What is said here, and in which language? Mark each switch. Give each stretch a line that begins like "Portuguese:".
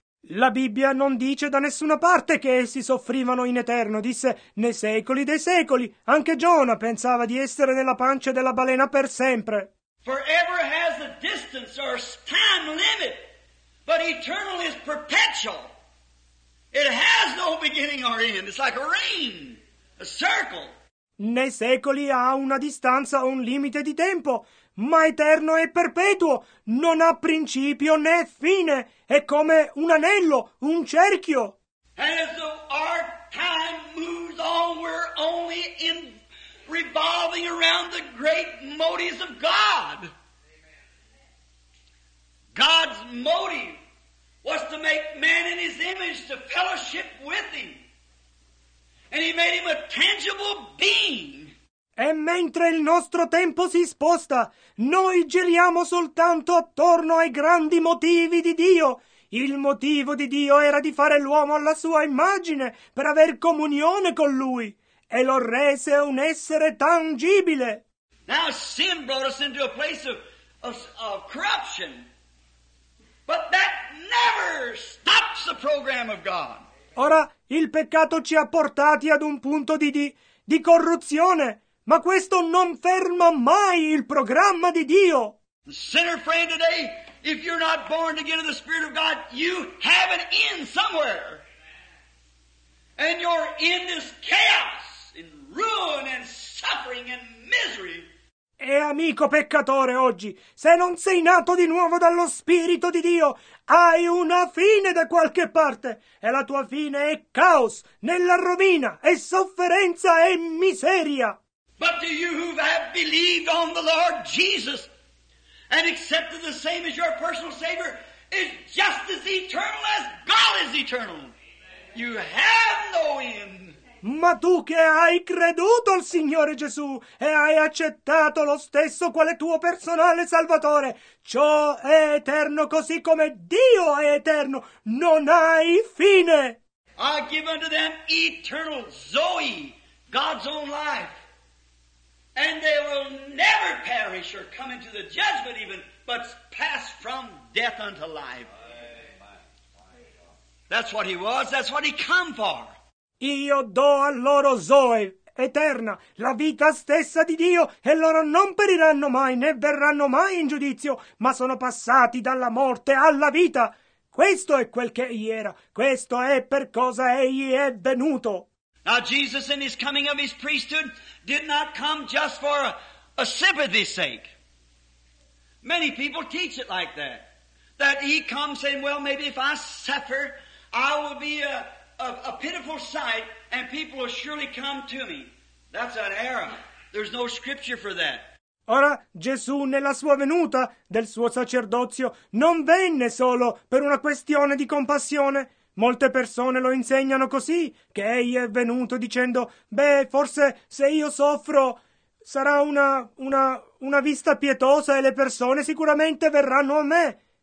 Italian: La Bibbia non dice da nessuna parte che essi soffrivano in eterno, disse nei secoli dei secoli. Anche Giona pensava di essere nella pancia della balena per sempre.
English: Forever has a distance or time limit, but eternal is perpetual. It has no beginning or end. It's like a ring, a circle.
Italian: Nei secoli ha una distanza o un limite di tempo. Ma eterno e perpetuo, non ha principio né fine, è come un anello, un cerchio.
English: As our time moves on, we're only in revolving around the great motives of God. God's motive was to make man in his image to fellowship with him. And he made him a tangible being.
Italian: E mentre il nostro tempo si sposta, noi giriamo soltanto attorno ai grandi motivi di Dio. Il motivo di Dio era di fare l'uomo alla sua immagine, per aver comunione con lui, e lo rese un essere tangibile.
English: Now sin brought us into a place of corruption, but that never stops the program of God.
Italian: Ora il peccato ci ha portati ad un punto di corruzione. Ma questo non ferma mai il programma di Dio.
English: Sinner friend today, if you're not born again of the Spirit of God, you have an end somewhere. And you're in this chaos and ruin and suffering and misery.
Italian: E amico peccatore oggi, se non sei nato di nuovo dallo Spirito di Dio, hai una fine da qualche parte. E la tua fine è caos, nella rovina, e sofferenza e miseria.
English: But to you who have believed on the Lord Jesus and accepted the same as your personal Savior is just as eternal as God is eternal. You have no end.
Italian: Ma tu che hai creduto al Signore Gesù e hai accettato lo stesso quale tuo personale Salvatore, ciò è eterno così come Dio è eterno, non hai fine.
English: I give unto them eternal Zoe, God's own life. And they will never perish or come into the judgment even, but pass from death unto life. That's what he was, that's what he come for.
Italian: Io do a loro Zoe eterna, la vita stessa di Dio, e loro non periranno mai, né verranno mai in giudizio, ma sono passati dalla morte alla vita. Questo è quel che egli era, questo è per cosa egli è venuto.
English: Now Jesus in his coming of his priesthood did not come just for a sympathy's sake. Many people teach it like that. That he comes saying, well, maybe if I suffer, I will be a pitiful sight and people will surely come to me. That's an error. There's no scripture for that.
Italian: Ora, Gesù nella sua venuta del suo sacerdozio non venne solo per una questione di compassione. Molte persone lo insegnano così, che egli è venuto dicendo, beh, forse se io soffro sarà una vista pietosa e le persone sicuramente verranno a me.